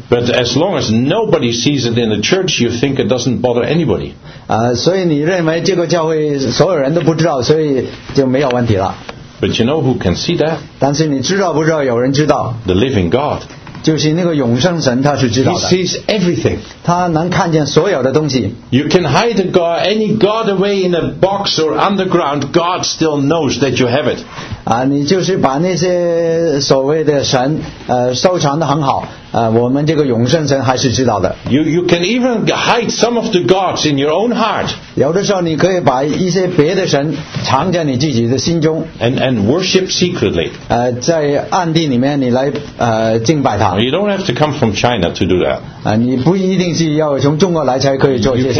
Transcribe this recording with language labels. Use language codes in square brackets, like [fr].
[en] But as long as nobody sees it in the church, you think it doesn't bother anybody. [zh] 所以你认为这个教会所有人都不知道，所以就没有问题了。 [en] But you know who can see that? [zh] 但是你知道不知道有人知道 [en] The living God. [zh] 就是那个永生神他是知道的 [en] He sees everything. [zh] 他能看见所有的东西 [en] You can hide a God, any God away in a box or underground, God still knows that you have it. [zh] 你就是把那些所谓的神收藏得很好我们这个永生神还是知道的 [en] You can even hide some of the gods in your own heart [zh] 有的时候你可以把一些别的神藏在你自己的心中 [en] And worship secretly [zh] 在暗地里面你来敬拜他 [en] You don't have to come from China to do that [zh] 你不一定是要从中国来才可以做这些事